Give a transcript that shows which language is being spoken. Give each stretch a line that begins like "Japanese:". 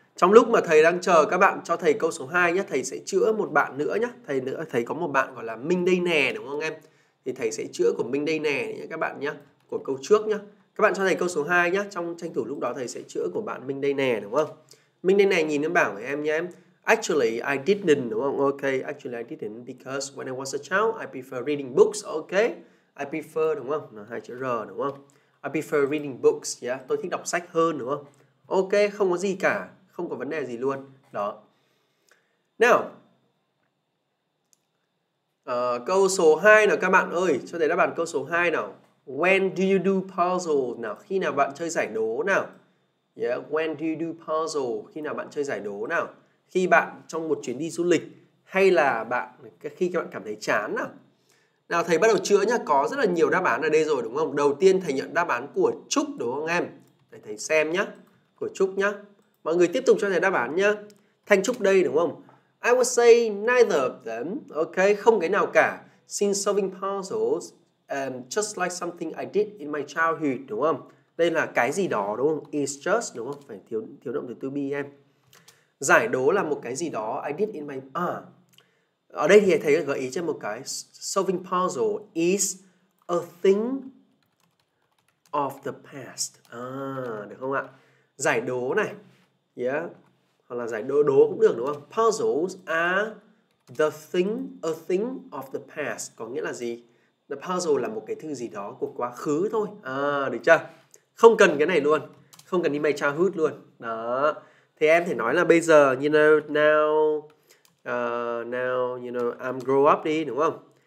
Vietnamese: Trong lúc mà thầy đang chờ các bạn cho thầy câu số 2 nhé, thầy sẽ chữa một bạn nữa nhé. Thầy nữa, thầy có một bạn gọi là Minh đây nè đúng không em? Thì thầy sẽ chữa của Minh đây nè nhé các bạn nhé, của câu trước nhé. Các bạn cho thầy câu số 2 nhé, trong tranh thủ lúc đó thầy sẽ chữa của bạn Minh đây nè đúng không? Minh đây nè nhìn em bảo với em nhé em.
English: Actually I didn't
Vietnamese: đúng không?
English: Ok, actually I didn't because when I was a child I prefer reading books. Ok, I prefer
Vietnamese: đúng không? Nó hai chữ R đúng không?
English: I prefer reading books, yeah.
Vietnamese: Tôi thích đọc sách hơn đúng không? Ok, không có gì cả. Không có vấn đề gì luôn. Đó. Nào. Câu số 2 nào các bạn ơi. Cho thầy đáp án câu số 2 nào.
English: When do you do puzzle?
Vietnamese: Nào, khi nào bạn chơi giải đố nào?
English: Yeah, when do you do puzzle?
Vietnamese: Khi nào bạn chơi giải đố nào? Khi bạn trong một chuyến đi du lịch hay là bạn khi các bạn cảm thấy chán nào? Nào, thầy bắt đầu chữa nhá. Có rất là nhiều đáp án ở đây rồi đúng không? Đầu tiên thầy nhận đáp án của Trúc đúng không em? Để thầy xem nhá. Của Trúc nhá. Mọi người tiếp tục cho thầy đáp án nhá. Thanh Trúc đây đúng không?
English: I would say neither of them.
Vietnamese: Ok, không cái nào cả.
English: Since solving puzzles just like something I did in my childhood
Vietnamese: đúng không? Đây là cái gì đó đúng không?
English: It's just
Vietnamese: đúng không? Phải thiếu động từ to be em. Giải đố là một cái gì đó
English: I did in my
Vietnamese: ở đây thì thầy gợi ý cho một cái.
English: Solving puzzle is a thing of the past.
Vietnamese: À, được không ạ? Giải đố này. Yeah, hoặc là giải đố cũng được đúng không?
English: Puzzles are the thing, a thing of the past.
Vietnamese: Có nghĩa là gì?
English: The puzzle
Vietnamese: là một cái thứ gì đó của quá khứ thôi. À, được chưa? Không cần cái này luôn. Không cần email childhood luôn. Đó. Thì em thể nói là bây giờ,
English: you know, now now, you know, I'm grow up
Vietnamese: đi, đúng không?